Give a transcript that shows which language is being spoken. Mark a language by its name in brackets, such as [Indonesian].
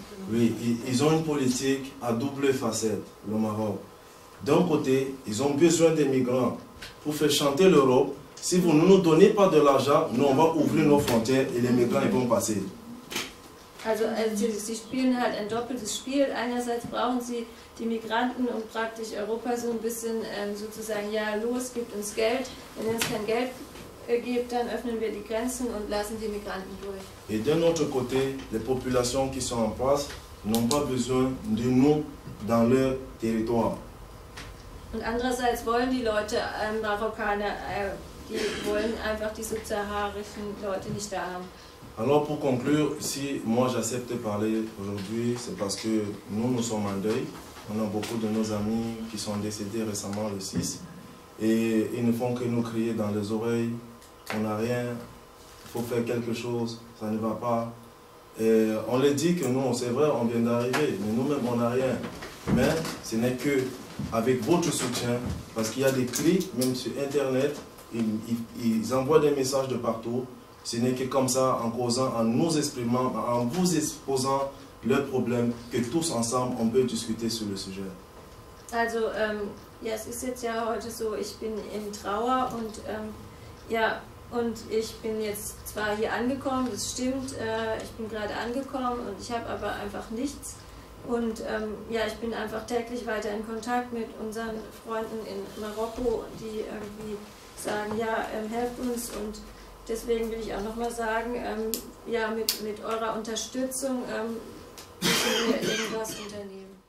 [French] Oui, ils ont une politique à double facette, le Maroc. D'un côté, ils ont besoin des migrants pour faire chanter l'Europe. Si vous ne nous donnez pas de l'argent, nous on va ouvrir nos frontières et les migrants ils vont passer. [German] Also, sie spielen halt ein doppeltes Spiel. Einerseits brauchen sie die Migranten, um praktisch Europa so ein bisschen sozusagen, ja, los, gibt uns Geld. Wenn es kein Geld gibt, dann öffnen wir die Grenzen und lassen die Migranten durch. [French] Et d'un autre côté, les populations qui sont en place n'ont pas besoin de nous dans leur territoire. [German] Und andererseits wollen die Leute Marokkaner die wollen einfach die subsaharischen Leute nicht da haben. [French] Alors pour conclure, si moi j'accepte de parler aujourd'hui, c'est parce que nous nous sommes en deuil. On a beaucoup de nos amis qui sont décédés récemment le 6 et ils ne font que nous crier dans les oreilles. On n'a rien, il faut faire quelque chose, ça ne va pas. Et on les dit que nous, c'est vrai, on vient d'arriver, mais nous-mêmes on n'a rien. Mais ce n'est que avec votre soutien, parce qu'il y a des cris même sur Internet, ils envoient des messages de partout. Ce n'est que comme ça, en causant, en nous exprimant, en vous exposant leurs problèmes, que tous ensemble, on peut discuter sur le sujet. [German] Also, ja, es ist jetzt ja heute so, ich bin in Trauer und ja, und ich bin jetzt zwar hier angekommen, das stimmt, ich bin gerade angekommen und ich habe aber einfach nichts. Und ja, ich bin einfach täglich weiter in Kontakt mit unseren Freunden in Marokko, die irgendwie sagen, ja, helft uns und deswegen will ich auch nochmal sagen, ja, mit eurer Unterstützung müssen wir irgendwas unternehmen.